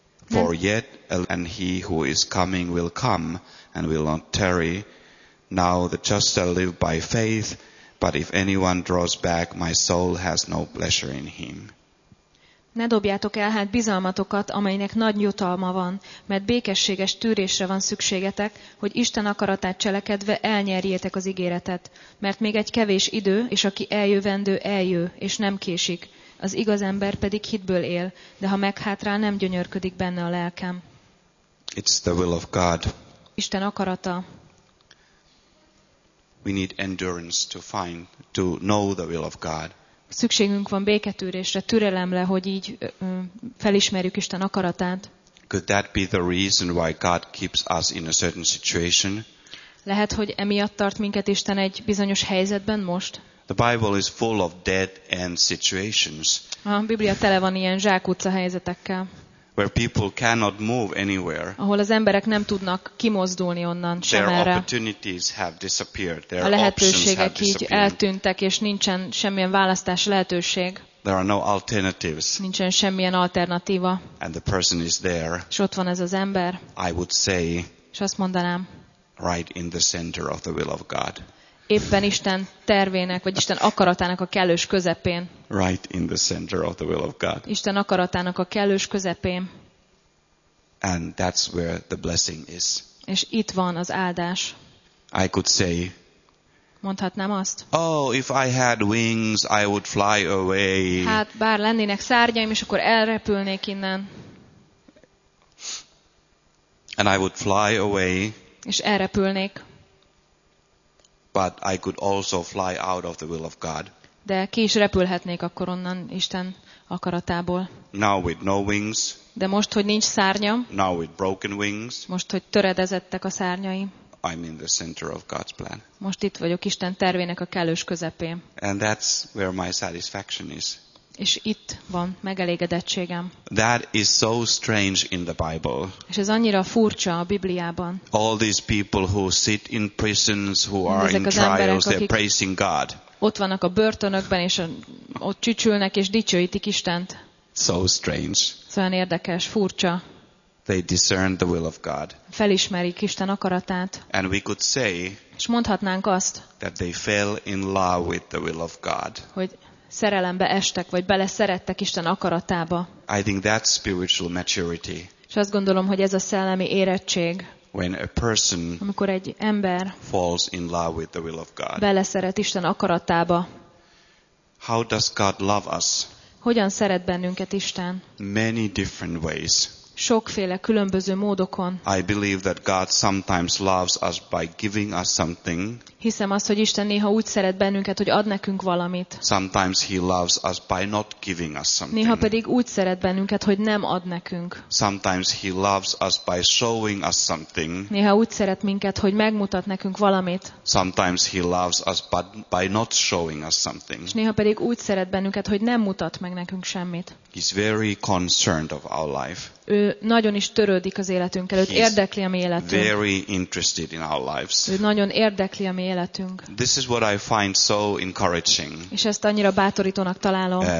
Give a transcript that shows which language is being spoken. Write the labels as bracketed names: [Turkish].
[English] For yet, and he who is coming will come, and will not tarry. Now the just shall live by faith, but if anyone draws back, my soul has no pleasure in him. [Hungarian] Ne dobjátok el hát bizalmatokat, amelynek nagy jutalma van, mert békességes tűrésre van szükségetek, hogy Isten akaratát cselekedve elnyerjétek az ígéretet. Mert még egy kevés idő, és aki eljövendő, eljő, és nem késik. Az igaz ember pedig hitből él, de ha meghátrál, nem gyönyörködik benne a lelkem. [English] It's the will of God. [Hungarian] Isten akarata. [English] We need endurance to know the will of God. [Hungarian] Szükségünk van béketűrésre, türelemre, hogy így felismerjük Isten akaratát. [English] Could that be the reason why God keeps us in a certain situation? [Hungarian] Lehet, hogy emiatt tart minket Isten egy bizonyos helyzetben most? [English] The Bible is full of dead end situations. [Hungarian] A Biblia tele van ilyen zsákutca helyzetekkel. [English] Where people cannot move anywhere. [Hungarian] Ahol az emberek nem tudnak kimozdulni onnan semerre. [English] Their opportunities have disappeared. Their [Hungarian] a lehetőségek így eltűntek, és nincsen semmilyen választás lehetőség. [English] There are no alternatives. [Hungarian] Nincsen semmilyen alternatíva. [English] And the person is there. [Hungarian] És ott van ez az ember. [English] I would say. [Hungarian] És azt mondanám. [English] Right in the center of the will of God. [Hungarian] Éppen Isten tervének, vagy Isten akaratának a kellős közepén. [English] Right in the center of the will of God. [Hungarian] Isten akaratának a kellős közepén. [English] And that's where the blessing is. [Hungarian] És itt van az áldás. [English] I could say. [Hungarian] Mondhatnám azt. [English] Oh, if I had wings, I would fly away. [Hungarian] Hát bár lennének szárnyaim, és akkor elrepülnék innen. [English] And I would fly away. [Hungarian] És elrepülnék. [English] But I could also fly out of the will of God. [Hungarian] De ki is repülhetnék akkor onnan Isten akaratából. [English] Now with no wings. [Hungarian] De most, hogy nincs szárnyam. [English] Now with broken wings. [Hungarian] Most, hogy töredezettek a szárnyaim. [English] I'm in the center of God's plan. [Hungarian] Most itt vagyok Isten tervének a kellős közepén. [English] And that's where my satisfaction is. [Hungarian] És itt van megelégedettségem. [English] That is so strange in the Bible. [Hungarian] És ez annyira furcsa a Bibliában. [English] All these people who sit in prisons, who are in trials, they're praising God. [Hungarian] Ott vannak a börtönökben, és ott csücsülnek, és dicsőítik Istent. [English] So strange. [Hungarian] Szóval érdekes, furcsa. [English] They discern the will of God. [Hungarian] Felismerik Isten akaratát. [English] And we could say, [Hungarian] és mondhatnánk azt, [English] that they fell in love with the will of God. [Hungarian] Hogy szerelembe estek, vagy beleszerettek Isten akaratába. [English] I think that's spiritual maturity. [Hungarian] És azt gondolom, hogy ez a szellemi érettség. [English] When a person, [Hungarian] amikor egy ember [English] falls in love with the will of God. [Hungarian] Beleszeret Isten akaratába. [English] How does God love us? [Hungarian] Hogyan szeret bennünket Isten? [English] Many different ways. [Hungarian] Sokféle különböző módokon. [English] I believe that God sometimes loves us by giving us something. [Hungarian] Hiszem azt, hogy Isten néha úgy szeret bennünket, hogy ad nekünk valamit. [English] Sometimes he loves us by not giving us something. [Hungarian] Néha pedig úgy szeret bennünket, hogy nem ad nekünk. [English] Sometimes he loves us by showing us something. [Hungarian] Néha úgy szeret minket, hogy megmutat nekünk valamit. [English] Sometimes he loves us by not showing us something. [Hungarian] És néha pedig úgy szeret bennünket, hogy nem mutat meg nekünk semmit. [English] He's very concerned of our life. [Hungarian] Ő nagyon is törődik az életünkkel, őt érdekli a mi életünk. [English] Very interested in our lives. [Hungarian] Ő nagyon érdekli a mi életünk. [English] This is what I find so encouraging. [Hungarian] És ezt annyira bátorítónak találom.